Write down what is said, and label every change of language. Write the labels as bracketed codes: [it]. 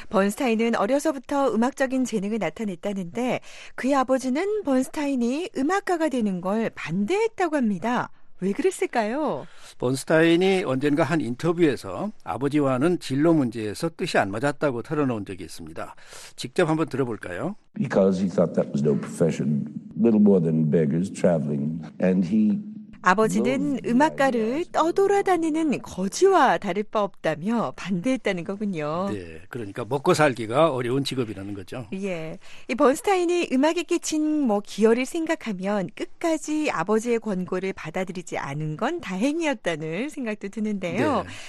[ko] 번스타인은 어려서부터 음악적인 재능을 나타냈다는데 그의 아버지는 번스타인이 음악가가 되는 걸 반대했다고 합니다. 왜 그랬을까요? 번스타인이 언젠가 한 인터뷰에서 아버지와는 진로 문제에서 뜻이 안 맞았다고 털어놓은 적이 있습니다. 직접 한번 들어볼까요? [en] Because he thought that was no profession. Little more than beggars traveling. And he... [ko] 아버지는 음악가를 떠돌아다니는 거지와 다를 바 없다며 반대했다는 거군요. 네, 그러니까 먹고 살기가 어려운 직업이라는 거죠. 예, 이 번스타인이 음악에 끼친 뭐 기여를 생각하면 끝까지 아버지의 권고를 받아들이지 않은 건 다행이었다는 생각도 드는데요. 네.